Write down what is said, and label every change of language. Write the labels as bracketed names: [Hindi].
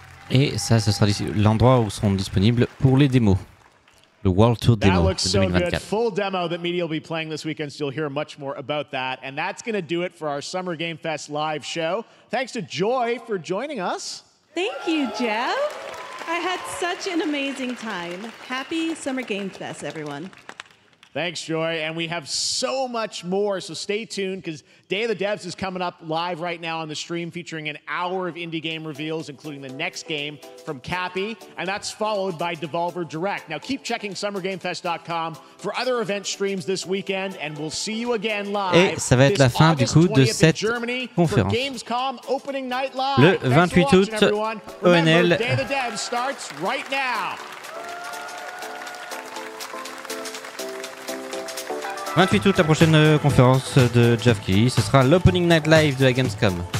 [French] Et ça, ce sera l'endroit où seront disponibles pour les démos. Le World Tour Demo de 2024. [English] That looks so good. Full demo that Media will be playing this weekend, so you'll hear much more about that. And that's going to do it for our Summer Game Fest live show. Thanks to Joy for joining us. Thank you, Jeff. I had such an amazing time. Happy Summer Game Fest, everyone. Thanks, Joy. And we have so much more, so stay tuned, because Day of the Devs is coming up live right now on the stream, featuring an hour of indie game reveals, including the next game from Cappy, and that's followed by Devolver Direct. Now keep checking SummerGameFest.com for other event streams this weekend, and we'll see you again live. [French] Et ça va être la fin du coup de cette conférence. [English] Gamescom opening night live. [French] Le 28 août, ENL. [English] Day of the Devs starts right now. [French] 28 août, la prochaine conférence de Jeff Keighley, ce sera l'Opening Night Live de la Gamescom.